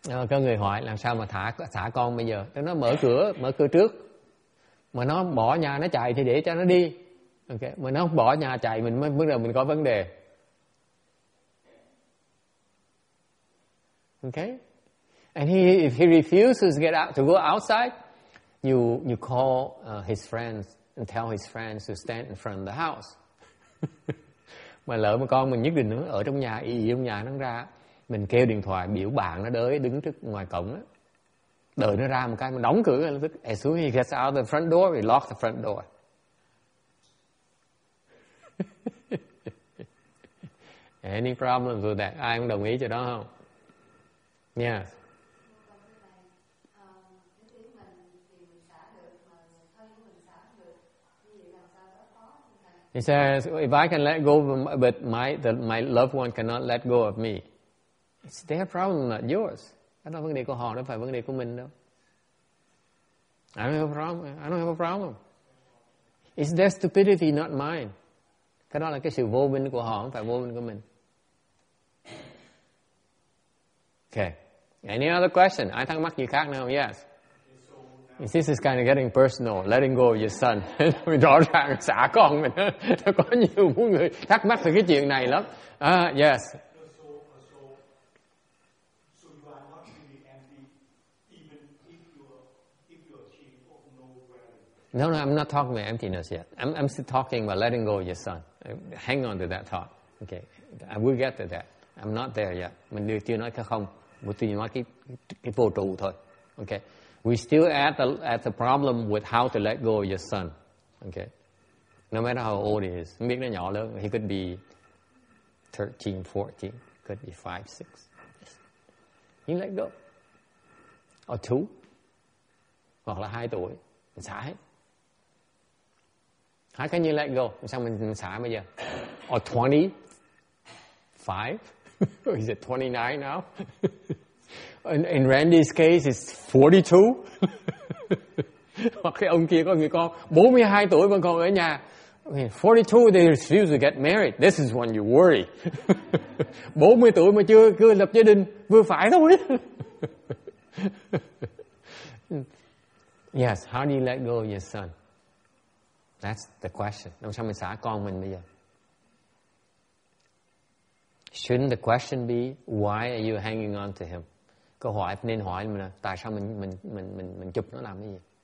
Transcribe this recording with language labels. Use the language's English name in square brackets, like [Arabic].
[Vietnamese] Có người hỏi làm sao mà thả con bây giờ? Tôi nói mở cửa trước. Mà nó bỏ nhà nó chạy thì để cho nó đi. Ok, mà nó không bỏ nhà chạy mình mới bắt đầu mình có vấn đề. [English] Ok. And if he refuses to get out, to go outside, you call his friends and tell his friends to stand in front of the house. [Vietnamese] Mà lỡ mà con mình nhất định nó ở trong nhà, ý trong nhà nó ra, mình kêu điện thoại biểu bạn nó đợi đứng trước ngoài cổng đó. Đợi nó ra một cái mình đóng cửa lên tức [English] as soon as he gets out the front door, we lock the front door. Any problems with that? [Vietnamese] Ai cũng đồng ý cho đó không? [English] Yeah. He says, if I can let go of them, but my loved one cannot let go of me, it's their problem, not yours. [Vietnamese] Đó là vấn đề của họ, đâu phải vấn đề của mình đâu. [English] I don't have a problem. It's their stupidity, not mine. [Vietnamese] Cái đó là cái sự vô minh của họ, không phải vô minh của mình. [English] Okay. Any other question? [Vietnamese] Ai thắc mắc gì khác nào? [English] Yes. This is kind of getting personal, letting go of your son. [Vietnamese] Rõ ràng xả con mình. Có nhiều người thắc mắc về cái chuyện này lắm. [English] Yes. No, I'm not talking about emptiness yet. I'm still talking about letting go of your son. Hang on to that thought. Okay, I will get to that. I'm not there yet. [Vietnamese] Mình chưa nói cái không. Một tùy nói cái vô trụ thôi. [English] Okay. We still at the problem with how to let go of your son. Okay. No matter how old he is. [Vietnamese] Không biết nó nhỏ lớn. [English] He could be 13, 14. Could be 5, 6. You let go. Or 2. [Vietnamese] Hoặc là 2 tuổi. Mình xả hết. [English] How can you let go? [Vietnamese] Sao mình xả bây giờ? [English] Or 20? 5? Is it 29 now? In Randy's case, it's 42. [Vietnamese] Hoặc cái ông kia có người con 42 tuổi mà còn ở nhà. [English] Okay, 42, they refuse to get married. This is when you worry. [Vietnamese] 40 tuổi mà chưa lập gia đình, vừa phải thôi. [English] Yes, how do you let go of your son? That's the question. [Vietnamese] Làm sao mình xả con mình bây giờ? [English] Shouldn't the question be, why are you hanging on to him? [Vietnamese] Câu hỏi nên hỏi mình là, tại sao mình chụp nó làm cái gì?